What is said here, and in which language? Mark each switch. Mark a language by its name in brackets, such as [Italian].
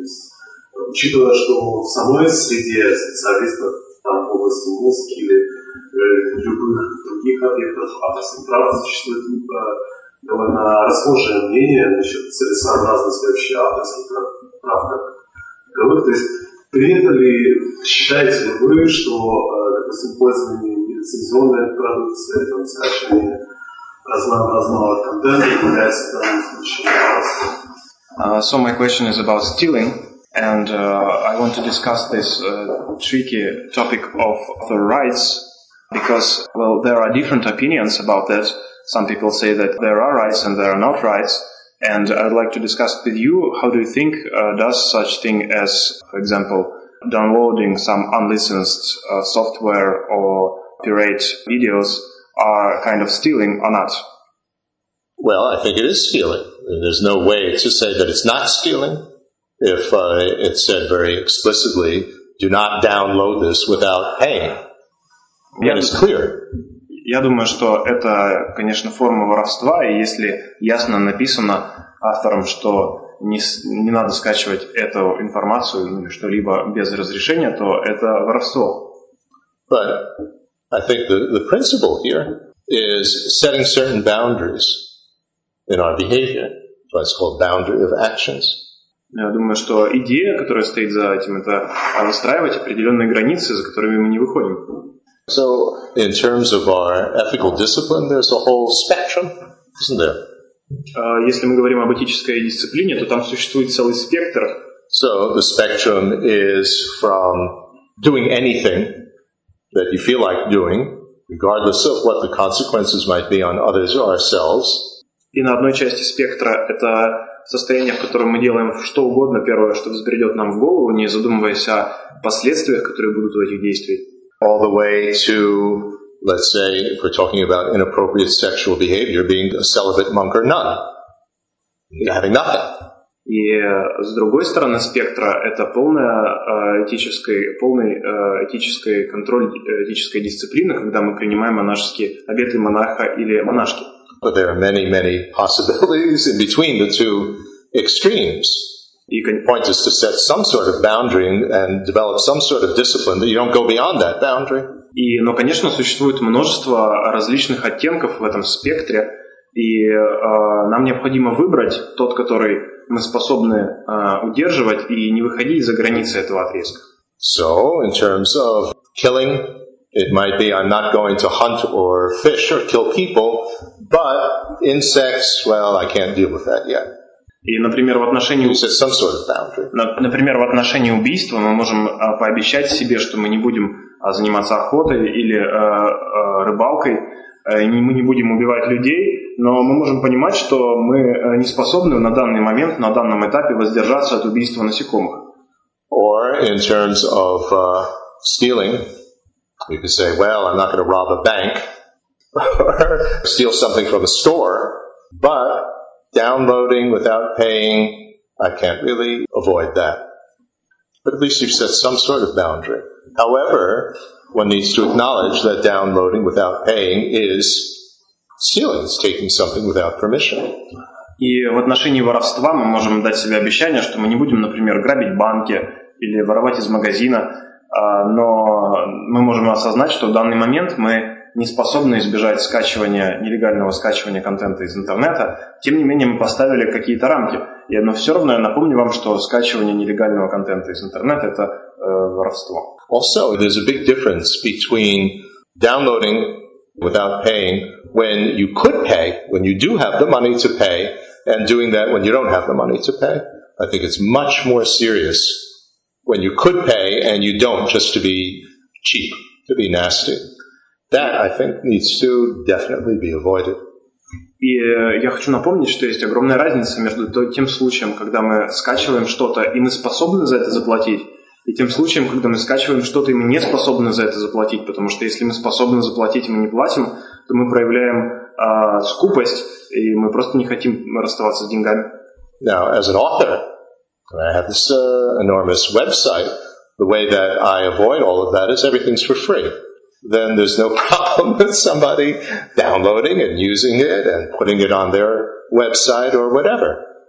[Russian] То есть, учитывая, что в самой среде специалистов там, в области музыки или любых других объектов, авторское право существует довольно расхожее мнение насчет целесообразности вообще авторских прав как таковых. Принято ли, считаете ли вы, что, допустим, пользование нелицензионной продукцией, там, скачивание разнообразного контента является данным случаем? [English] So my question is about stealing, and I want to discuss this tricky topic of the rights, because, well, there are different opinions about that. Some people say that there are rights and there are not rights. And I'd like to discuss with you, how do you think does such thing as, for example, downloading some unlicensed software or pirate videos are kind of stealing or not? Well, I think it is stealing. There's no way to say that it's not stealing if it said very explicitly, do not download this without paying. That is clear. [Russian] Я думаю, что это, конечно, форма воровства, и если ясно написано автором, что не надо скачивать эту информацию или что-либо без разрешения, то это воровство. [English] But I think the principle here is setting certain boundaries in our behavior. That's why it's called boundary of actions. [Russian] Я думаю, что идея, которая стоит за этим, это выстраивать определенные границы, за которыми мы не выходим. [English] So, in terms of our ethical discipline, there's a whole spectrum, isn't there? [Russian] Если мы говорим об этической дисциплине, то там существует целый спектр. [English] So, the spectrum is from doing anything that you feel like doing, regardless of what the consequences might be on others or ourselves. [Russian] И на одной части спектра это состояние, в котором мы делаем что угодно, первое, что взбредет нам в голову, не задумываясь о последствиях, которые будут у этих действий. [English] All the way to, let's say, if we're talking about inappropriate sexual behavior, being a celibate monk or nun, having nothing. [Russian] И с другой стороны спектра это полная этический контроль этической дисциплины, когда мы принимаем монашеские обеты монаха или монашки. [English] But there are many, many possibilities in between the two extremes. You can point us to set some sort of boundary and develop some sort of discipline that you don't go beyond that boundary. [Russian] И, но, конечно, существует множество различных оттенков в этом спектре, и нам необходимо выбрать тот, который мы способны удерживать и не выходить за границы этого отрезка. [English] So, in terms of killing, it might be I'm not going to hunt or fish or kill people, but insects, well, I can't deal with that yet. [Russian] И, например, в отношении убийства мы можем пообещать себе, что мы не будем заниматься охотой или рыбалкой, мы не будем убивать людей, но мы можем понимать, что мы не способны на данный момент, на данном этапе воздержаться от убийства насекомых. [English] Or in terms of stealing, we could say, well, I'm not going to rob a bank or steal something from a store, but downloading without paying, I can't really avoid that. But at least you've set some sort of boundary. However, one needs to acknowledge that downloading without paying is stealing, it's taking something without permission. [Russian] И в отношении воровства мы можем дать себе обещание, что мы не будем, например, грабить банки или воровать из магазина, но мы можем осознать, что в данный момент мы не способны избежать скачивания, нелегального скачивания контента из интернета, тем не менее мы поставили какие-то рамки. Но все равно я напомню вам, что скачивание нелегального контента из интернета – это воровство. [English] Also, there's a big difference between downloading without paying when you could pay, when you do have the money to pay, and doing that when you don't have the money to pay. I think it's much more serious when you could pay and you don't, just to be cheap, to be nasty. That, I think, needs to definitely be avoided. [Russian] И я хочу напомнить, что есть огромная разница между тем случаем, когда мы скачиваем что-то, и мы способны за это заплатить, и тем случаем, когда мы скачиваем что-то, и мы не способны за это заплатить, потому что если мы способны заплатить, и мы не платим, то мы проявляем скупость, и мы просто не хотим расставаться с деньгами. [English] Now, as an author, I have this enormous website. The way that I avoid all of that is everything's for free. Then there's no problem with somebody downloading and using it and putting it on their website or whatever.